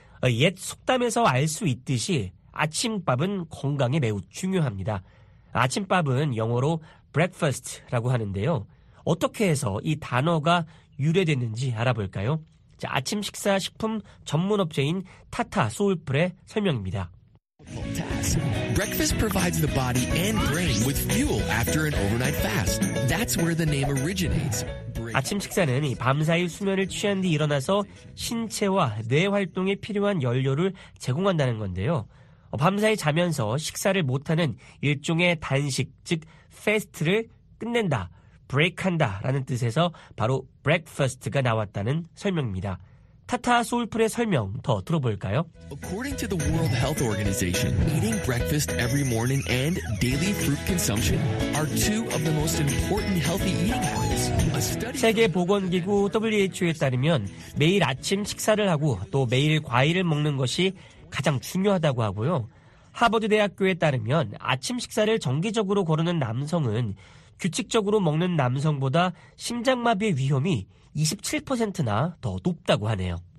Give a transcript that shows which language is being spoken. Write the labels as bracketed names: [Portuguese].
[Korean] 옛 속담에서 알 수 있듯이 아침밥은 건강에 매우 중요합니다. 아침밥은 영어로 breakfast라고 하는데요. 어떻게 해서 이 단어가 유래됐는지 알아볼까요? 아침 식사 식품 전문 업체인 타타 소울풀의 설명입니다. [English] Breakfast provides the body and brain with fuel after an overnight fast. That's where the name originates. [Korean] 아침 식사는 이 밤사이 수면을 취한 뒤 일어나서 신체와 뇌 활동에 필요한 연료를 제공한다는 건데요. 밤사이 자면서 식사를 못하는 일종의 단식, 즉 패스트를 끝낸다, 브레이크한다라는 뜻에서 바로 breakfast가 나왔다는 설명입니다. 타타 소울풀의 설명 더 들어볼까요? [English] According to the World Health Organization, eating breakfast every morning and daily fruit consumption are two of the most important healthy eating habits. [Korean] 세계보건기구 WHO에 따르면 매일 아침 식사를 하고 또 매일 과일을 먹는 것이 가장 중요하다고 하고요. 하버드대학교에 따르면 아침 식사를 정기적으로 거르는 남성은 규칙적으로 먹는 남성보다 심장마비의 위험이 27%나 더 높다고 하네요.